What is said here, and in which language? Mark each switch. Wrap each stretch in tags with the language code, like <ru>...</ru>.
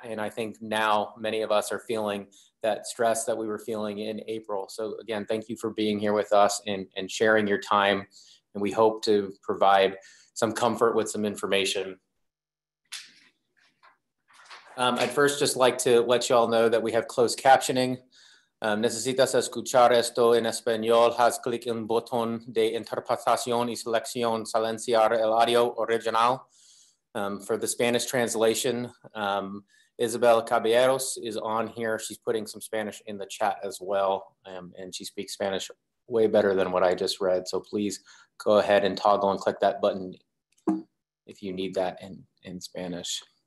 <en>And I think now many of us are feeling that stress that we were feeling in April. So again, thank you for being here with us and sharing your time. And we hope to provide some comfort with some information. I'd first just like to let you all know that we have closed captioning.</en> <es>Necesitas escuchar esto en español, has click en botón de interpretación y selección silenciar el audio original.</es> <en>For the Spanish translation, Isabel Caballeros is on here. She's putting some Spanish in the chat as well. And she speaks Spanish way better than what I just read. So please go ahead and toggle and click that button if you need that in Spanish.</en>